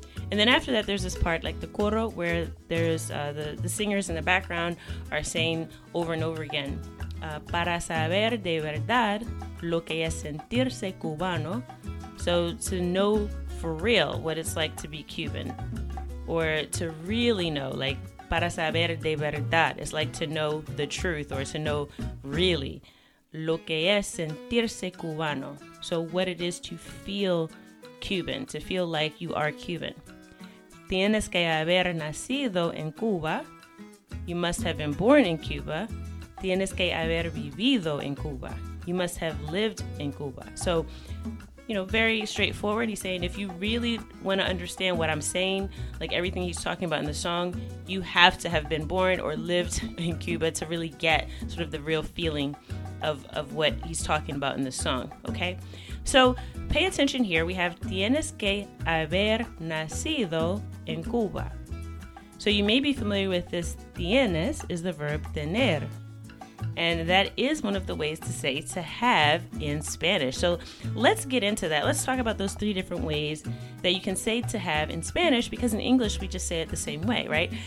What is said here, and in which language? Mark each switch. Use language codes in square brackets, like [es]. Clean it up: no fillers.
[en] And then after that, there's this part, like the coro, where there's the singers in the background are saying over and over again, [es] para saber de verdad lo que es sentirse cubano. [en] So to know for real what it's like to be Cuban, or to really know, like [es] para saber de verdad, [en] it's like to know the truth or to know really. [es] Lo que es sentirse cubano. [en] So what it is to feel Cuban, to feel like you are Cuban. [es] Tienes que haber nacido en Cuba. [en] You must have been born in Cuba. [es] Tienes que haber vivido en Cuba. [en] You must have lived in Cuba. So, you know, very straightforward. He's saying if you really want to understand what I'm saying, like everything he's talking about in the song, you have to have been born or lived in Cuba to really get sort of the real feeling of what he's talking about in the song, okay? So pay attention here. We have [es] tienes que haber nacido en Cuba. [en] So you may be familiar with this. Tienes is the verb tener. And that is one of the ways to say to have in Spanish. So let's get into that. Let's talk about those three different ways that you can say to have in Spanish, because in English we just say it the same way, right?